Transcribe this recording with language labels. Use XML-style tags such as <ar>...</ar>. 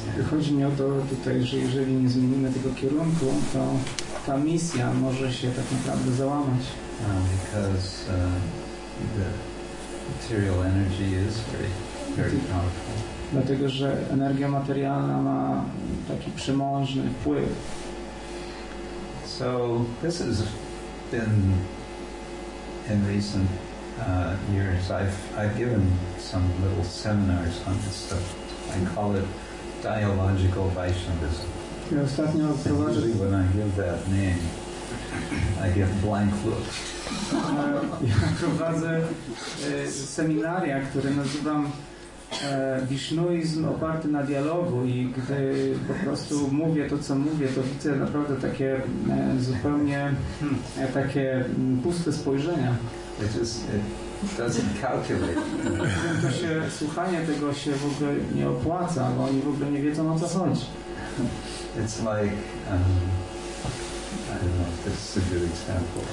<pl>Chodzi mi o to tutaj, że jeżeli nie zmienimy tego kierunku, to ta misja może się tak naprawdę załamać.</pl> <en>Because the material energy is very, very powerful.</en> <pl>Dlatego, że energia materialna ma taki przemożny wpływ.</pl> <en>So this has been in recent years. I've given some little seminars on this stuff. I call it dialogical Vaishnavism.</en> <pl>Ja ostatnio usłyszałem,</pl> <en>when I give that name, I get blank looks.</en> <pl>Ja prowadzę seminaria, które nazywam wisznuizm oparty na dialogu, i gdy po prostu mówię to, co mówię, to widzę naprawdę takie zupełnie takie puste spojrzenia.</pl> <en>It doesn't calculate.</en> <pl>To się, słuchanie tego się w ogóle nie opłaca, bo oni w ogóle nie wiedzą, o co chodzi.</pl> <en>It's like, I don't know if this is a good example.</en>